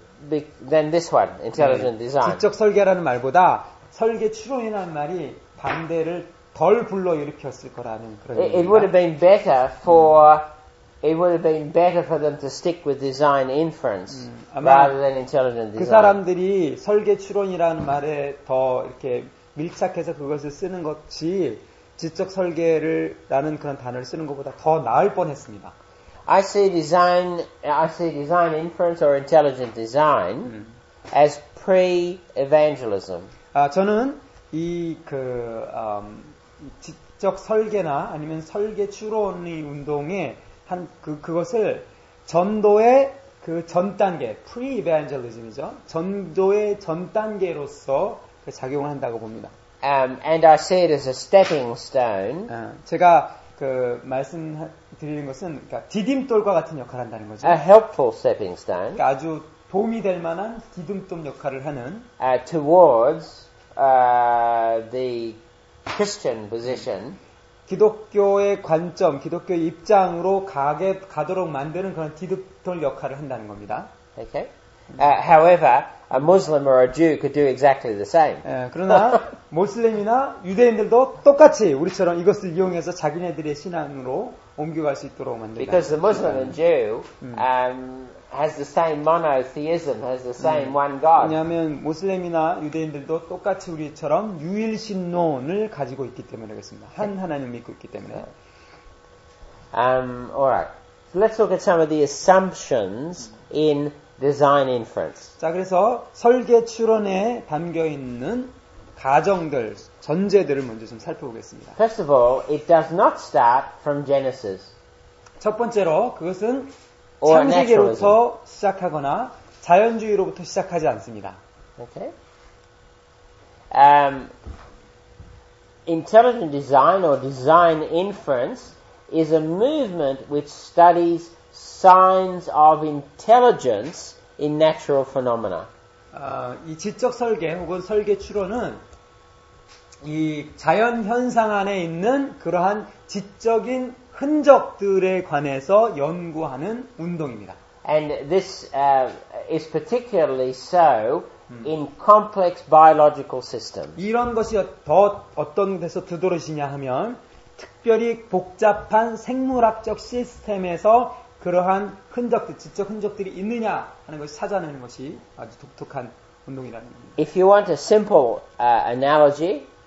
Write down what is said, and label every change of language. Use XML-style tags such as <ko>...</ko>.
<en>Than this one, intelligent design.</en> <ko>지적 설계라는 말보다 설계 추론이라는 말이 반대를 덜 불러 일으켰을 거라는 그런 얘기입니다.</ko> <en>It would have been better for it would have been better for them to stick with design inference rather than intelligent design.</en> <ko>그 사람들이 설계 추론이라는 말에 더 이렇게 밀착해서 그것을 쓰는 것이 지적 설계를 라는 그런 단어를 쓰는 것보다 더 나을 뻔했습니다.</ko> <en>I see design inference or intelligent design as pre-evangelism.</en> <ko>저는 이 그 지적 설계나 아니면 설계 추론의 운동에 한 그것을 전도의 그 전 단계 pre-evangelism이죠. 전도의 전 단계로서 그 작용을 한다고 봅니다.</ko> <en>And I see it as a stepping stone.</en> <ko>제가 그 말씀 드리는 것은 그러니까 디딤돌과 같은 역할을 한다는 거죠.</ko> <en>A helpful stepping stone.</en> <ko>그러니까 아주 도움이 될 만한 디딤돌 역할을 하는</ko> <en>towards the Christian position.</en> <ko>기독교의 관점, 기독교의 입장으로 가도록 만드는 그런 디딤돌 역할을 한다는 겁니다.</ko> <en>Okay. However, a Muslim or a Jew could do exactly the same.</en> <ko>그러나 모슬렘이나 유대인들도 똑같이 우리처럼 이것을 이용해서 자기네들의 신앙으로 옮겨갈 수 있도록 만든다.</ko> <en>Because the Muslim and Jew has the same monotheism, has the same one God.</en> <ko>왜냐하면 모슬렘이나 유대인들도 똑같이 우리처럼 유일신론을 가지고 있기 때문에 그렇습니다. 한 하나님을 믿고 있기 때문에.</ko> <en>Alright. So let's look at some of the assumptions in design inference.</en> <ko>자, 그래서 설계 추론에 담겨 있는 가정들, 전제들을 먼저 좀 살펴보겠습니다.</ko> <en>First of all, it does not start from Genesis.</en> <ko>첫 번째로 그것은 창세기로부터 시작하거나 자연주의로부터 시작하지 않습니다.</ko> <en>Okay. Intelligent design or design inference is a movement which studies signs of intelligence in natural phenomena.</en> <ko>이 지적 설계 혹은 설계 추론은 이 자연 현상 안에 있는 그러한 지적인 흔적들에 관해서 연구하는 운동입니다.</ko> <en>And this is particularly so in complex biological systems.</en> <ko>이런 것이 더 어떤 데서 두드러지냐 하면 특별히 복잡한 생물학적 시스템에서 그러한 흔적들, 지적 흔적들이 있느냐 하는 것을 찾아내는 것이 아주 독특한 운동이라는 겁니다.</ko> <en>If you want a simple analogy,</en>